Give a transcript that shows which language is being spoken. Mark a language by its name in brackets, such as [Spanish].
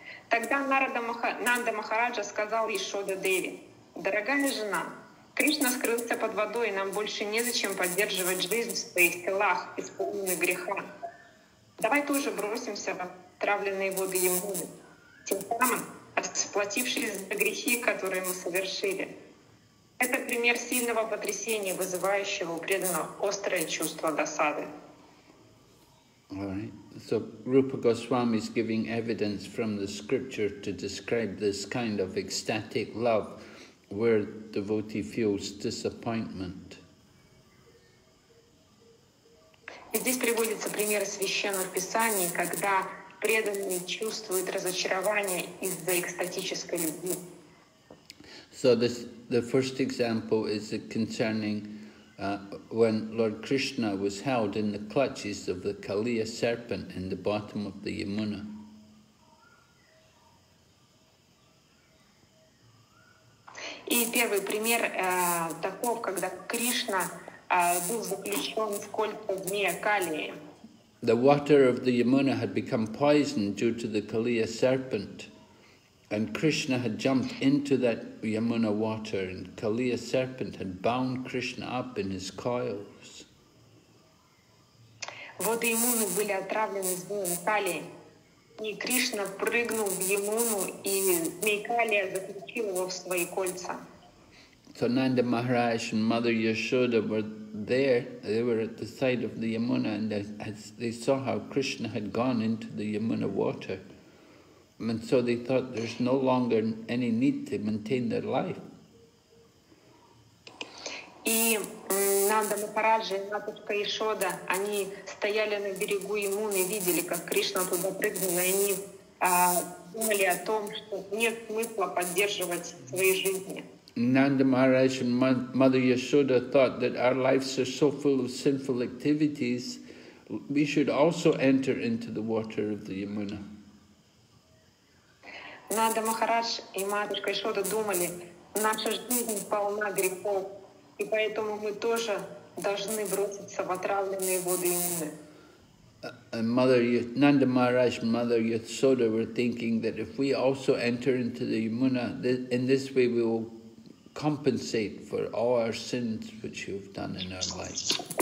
[Russian] Тогда Нанда Махараджа сказал Ишода Деви: «Дорогая жена, Кришна скрылся под водой, и нам больше незачем поддерживать жизнь в своих телах, исполненных греха. Давай тоже бросимся в отравленные воды ему, тем самым расплатившись за грехи, которые мы совершили. Это пример сильного потрясения, вызывающего у преданного острое чувство досады. [English] Alright, so Rupa Goswami is giving evidence from the scripture to describe this kind of ecstatic love where devotee feels disappointment. [Russian] И здесь приводится пример священных писаний, когда преданный чувствует разочарование из-за экстатической любви. [English] So this, the first example is concerning when Lord Krishna was held in the clutches of the Kaliya serpent in the bottom of the Yamuna. [Russian] И первый пример таков, когда Кришна был заключен в кольца змея Калии. [English] The water of the Yamuna had become poisoned due to the Kaliya serpent, and Krishna had jumped into that Yamuna water, and Kaliya serpent had bound Krishna up in his coils. [Russian] Воды Ямуны были отравлены змеем Калии, и Кришна прыгнул в Ямуну, и змей Калия заключил его в свои кольца. [English] So Nanda Maharaj and Mother Yashoda were there, they were at the side of the Yamuna, and they saw how Krishna had gone into the Yamuna water. And so they thought there's no longer any need to maintain their life. [Russian] И Нанда Махарадж и матушка Яшода, они стояли на берегу Ямуны, видели, как Кришна туда прыгнул, и они думали о том, что нет смысла поддерживать свои жизни. [English] Nanda Maharaj and Mother Yashoda thought that our lives are so full of sinful activities, we should also enter into the water of the Yamuna. [Russian] Nanda Maharaj и Матушка Яшода думали, наша жизнь полна грехов, и поэтому мы тоже должны броситься в отравленные воды Ямуны. [English] And Nanda Maharaj and Mother Yashoda were thinking that if we also enter into the Yamuna, in this way we will compensate for all our sins which you have done in our life.